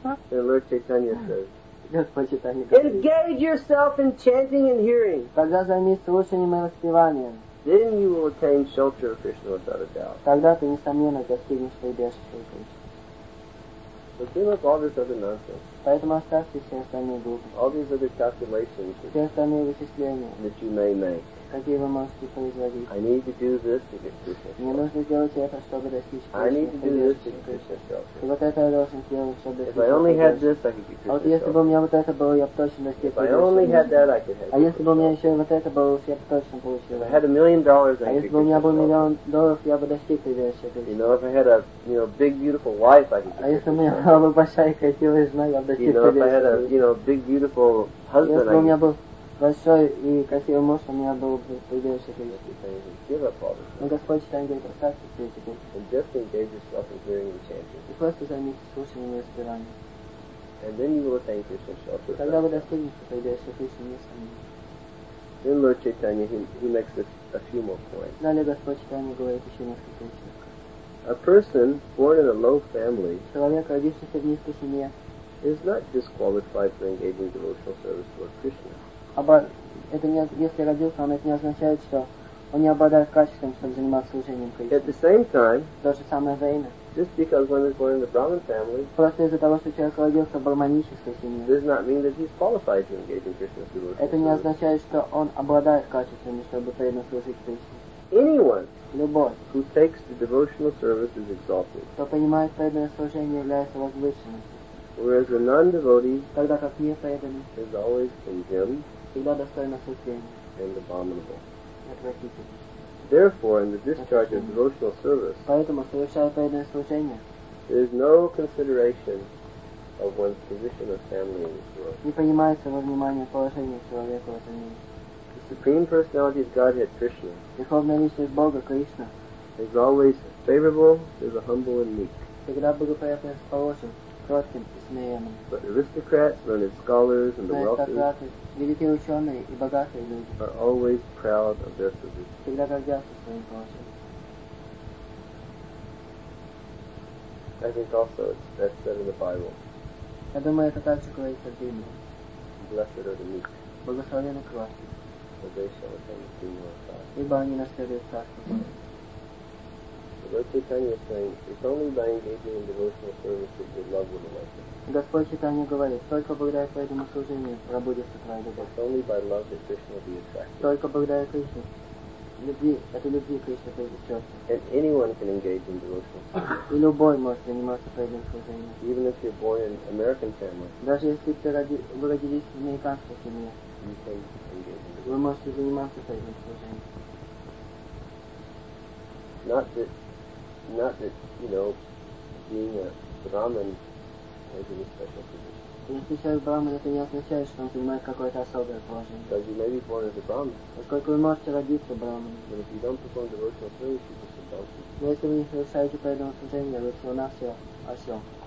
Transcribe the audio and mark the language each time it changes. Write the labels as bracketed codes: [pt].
[en] The Lord Chaitanya says, engage yourself in chanting and hearing. Then you will attain shelter of Krishna without a doubt. [ru] Тогда ты несомненно достигнешь прибежища Кришны. [en] So give up all this other nonsense. [ru] Поэтому оставьте все остальные глупости. [en] All these other calculations. [ru] Все остальные вычисления. [en] That you may make. [ru] Какие вы можете производить? [en] I need to do this to get Krishna. [ru] Мне нужно сделать это, чтобы достичь [en] Кришны. I need to do this to get Krishna shelter. [ru] И вот это я должен сделать, чтобы достичь. [en] If I only had this, I could get Krishna shelter. [ru] А вот если бы у меня вот это было, я бы точно достиг Кришны. [en] If I only had that, I could have. [ru] А если бы у меня еще вот это было, я бы точно получил. [en] If I had $1,000,000, I could get. [ru] А если бы у меня был миллион долларов, я бы достиг Кришны. [en] You know, if I had a big beautiful wife, I could get Krishna. [ru] А если бы у меня была большая и красивая жена, я бы достиг Кришны. [en] You know, if I had a big beautiful husband, [ru] если бы у меня был большой и красивый муж, у меня был бы прибежище Кришны. Но Господь Читания говорит, оставьте все эти глупости. И просто займитесь слушанием и разбиранием. И тогда вы достигнете прибежище Кришны, несомненно. Далее Господь Читания говорит еще несколько вещей. [en] A person born in a low family, [ru] человек, родившийся в низкой семье, [en] is not disqualified for engaging devotional service toward Krishna. [ru] Если родился, он это не означает, что он не обладает качеством, чтобы заниматься служением Кришне. [en] At the same time, [ru] в то же самое время, [en] just because one is born in the Brahmin family, [ru] просто из-за того, что человек родился в брахманической семье, [en] does not mean that he's qualified to engage in Krishna's devotional. [ru] Это не означает, что он обладает качествами, чтобы преданно служить Кришне. [en] Anyone, [ru] любой, [en] who takes the devotional service is exalted. [ru] Кто принимает преданное служение, является возвышенным. [en] Whereas a non-devotee, [ru] тогда как не преданный, [en] is always condemned, [ru] всегда достоин осуждения, [en] and abominable. Therefore, in the discharge of devotional service, [ru] поэтому совершая преданное служение, [en] there is no consideration of one's position or family in this world. [ru] Не принимается во внимание положение человека в этом мире. [en] The Supreme Personality of Godhead, Krishna, [ru] Верховная Личность Бога, Кришна, [en] is always favorable to the humble and meek. [ru] Всегда благоприятно расположен к кротким и смиренным. [en] But aristocrats, learned scholars, and the wealthy, [ru] великие ученые и богатые люди, [en] are always proud of their position. [ru] Всегда гордятся своим положением. [en] I think also that's said in the Bible. [ru] Я думаю, это также говорится в Библии. [en] Blessed are the meek. [ru] Благословенны кротки. [en] For they shall attain the kingdom of God. [ru] Ибо они наследуют царство Божие. [en] Lord Chaitanya is saying, it's only by engaging in devotional service that your love will awaken. [ru] Господь Читания говорит, только благодаря твоему служению пробудется твоя любовь. [en] It's only by love that Krishna will be attracted. [ru] Только благодаря Кришне. Любви, это любви Кришна привлечется. [en] And anyone can engage in devotional service. [ru] И любой может заниматься преданным служением. [en] Even if you're born in American family. [ru] Даже если ты родились в американской семье. [en] You can engage in devotional. [ru] Вы можете заниматься преданным служением. [en] Not that, you know, being a Brahmin has any special position. [ru] Если человек Брахман, это не означает, что он занимает какое-то особое положение. [en] Because you may be born as a Brahmin. [ru] Поскольку вы можете родиться Брахманом. [en] But if you don't perform devotional service, you're just a donkey. [ru] Но если вы не совершаете преданного служения, вы всего-навсего осел.